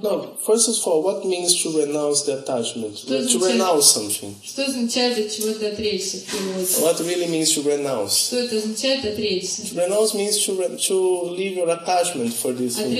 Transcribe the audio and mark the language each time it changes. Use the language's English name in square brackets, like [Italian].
[English] No, first of all, what means to renounce the attachment? To renounce something. [Russian] Что означает от чего-то отречься? [English] What really means to renounce? [Russian] Что это означает отречься? [English] To renounce means to leave your attachment for this thing.